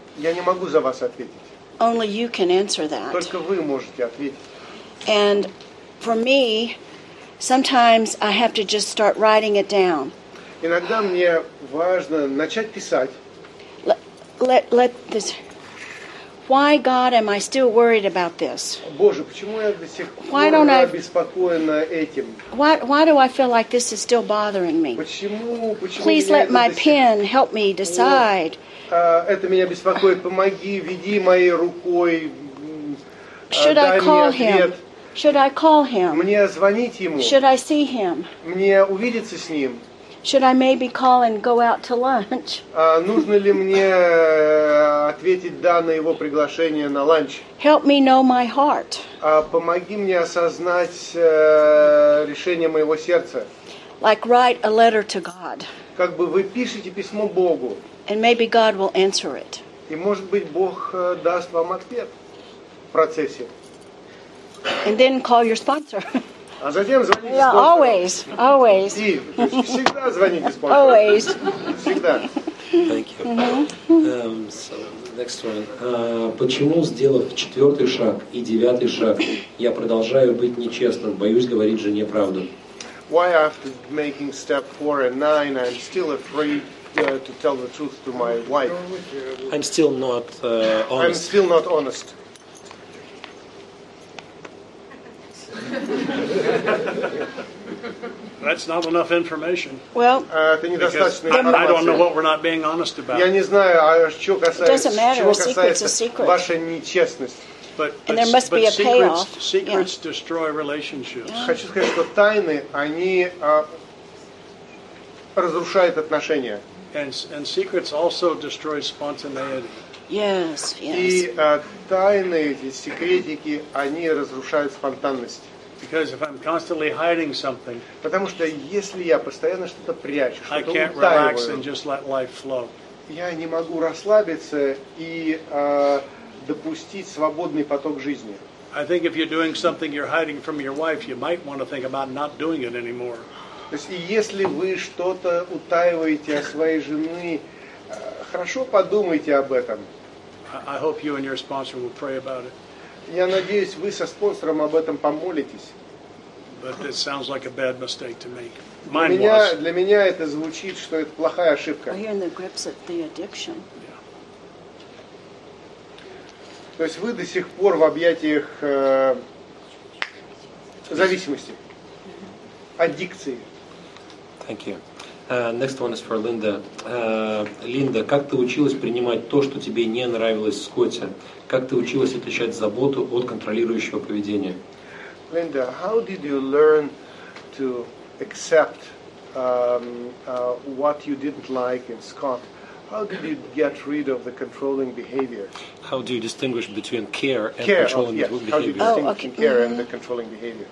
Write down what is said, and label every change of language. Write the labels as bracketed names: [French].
[Russian] Я не могу за вас ответить. [English] Only you can answer that. [Russian] Только вы можете ответить. [English] And for me, sometimes I have to just start writing it down. [Russian] Иногда мне важно начать писать. [English] Let this. Why, God, am I still worried about this? [Russian] Боже, почему я до сих пор обеспокоена этим? [English] Why do I feel like this is still bothering me? [Russian] Почему [English] Please let my pen help me decide. [Russian] Это меня беспокоит. Помоги, веди моей рукой. [English] Should I call him? Should I call him? [Russian] Мне звонить ему? [English] Should I see him? [Russian] Мне увидеться с ним? [English] Should I maybe call and go out to lunch? [Russian] Нужно ли мне ответить да на его приглашение на ланч? [English] Help me know my heart. [Russian] Помоги мне осознать решение моего сердца. [English] Like write a letter to God. [Russian] Как бы вы пишете письмо Богу. [English] And maybe God will answer it. [Russian] И может быть Бог даст вам ответ в процессе. [English] And then call your sponsor. [Russian] А затем звоните спонсору. [English] Yeah, always, always. [Russian] И, всегда звоните спонсору. [English] Always. [Russian] Всегда. [English] Thank you. Mm-hmm. So, next one. [Russian] Почему, сделав четвертый шаг и девятый шаг, я продолжаю быть нечестным, боюсь говорить жене правду? [English] Why after making step 4 and 9 I'm still afraid to tell the truth to my wife? I'm still not honest. I'm still not honest. That's not enough information. Well, I don't know what we're not being honest about. [Russian] Я не знаю, что касается. [English] It doesn't matter. A secret's a secret. But, and there must be a secrets yeah. destroy relationships. Yeah. [Russian] Хочу сказать, что тайны, они разрушают отношения. [English] And secrets also destroy spontaneity. Yes, yes. [Russian] И тайны, эти секретики, они разрушают спонтанность. [English] Because if I'm constantly hiding something, [Russian] потому что если я постоянно что-то прячу, что-то утаиваю, [English] I can't relax and just let life flow. [Russian] Я не могу расслабиться и допустить свободный поток жизни. [English] I think if you're doing something you're hiding from your wife, you might want to think about not doing it anymore. [Russian] То есть, если вы что-то утаиваете от своей жены, хорошо подумайте об этом. [English] I hope you and your sponsor will pray about it. [Russian] Я надеюсь, вы со спонсором об этом помолитесь. [English] But this sounds like a bad mistake to make. Mine [Russian] для меня, [English] was. [Russian] Для меня это звучит, что это плохая ошибка. [English] We're in the grips of the addiction. [Russian] То есть вы до сих пор в объятиях зависимости, аддикции. [English] Thank you. Next one is for Linda. [Russian] Linda, как ты училась принимать то, что тебе не нравилось в Скотте? Как ты училась отличать заботу от контролирующего поведения? [English] Linda, how did you learn to accept what you didn't like in Scott? How did you get rid of the controlling behavior? How do you distinguish between care and care, controlling yes. behavior? How do you distinguish between care mm-hmm. and the controlling behavior?